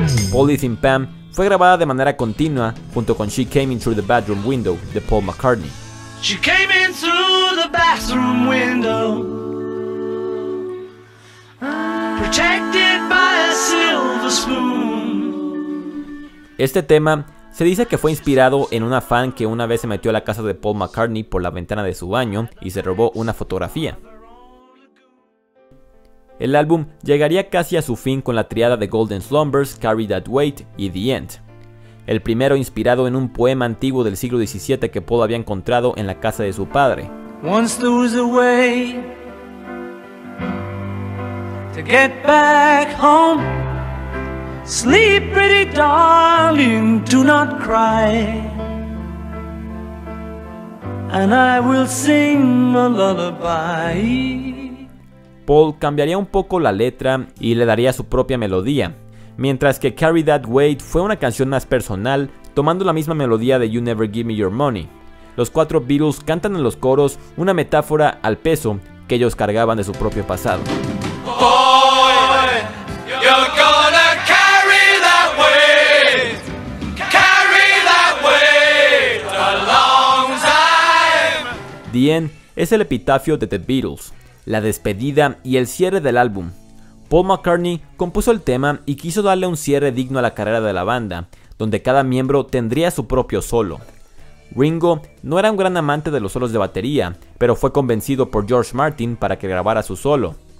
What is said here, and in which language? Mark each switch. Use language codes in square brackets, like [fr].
[es] Polythene Pam fue grabada de manera continua junto con She Came In Through The Bathroom Window de Paul McCartney. [en] She came in through the bathroom window, protected by a silver spoon. [es] Este tema se dice que fue inspirado en una fan que una vez se metió a la casa de Paul McCartney por la ventana de su baño y se robó una fotografía. El álbum llegaría casi a su fin con la triada de Golden Slumbers, Carry That Weight y The End. El primero inspirado en un poema antiguo del siglo XVII que Paul había encontrado en la casa de su padre. [en] Once there was a way to get back home. Sleep pretty darling, do not cry. And I will sing a lullaby. [es] Paul cambiaría un poco la letra y le daría su propia melodía. Mientras que Carry That Weight fue una canción más personal, tomando la misma melodía de You Never Give Me Your Money. Los cuatro Beatles cantan en los coros una metáfora al peso que ellos cargaban de su propio pasado. [en] Boy, you're gonna carry that weight, carry that weight a long time. [es] The End es el epitafio de The Beatles, la despedida y el cierre del álbum. Paul McCartney compuso el tema y quiso darle un cierre digno a la carrera de la banda, donde cada miembro tendría su propio solo. Ringo no era un gran amante de los solos de batería, pero fue convencido por George Martin para que grabara su solo.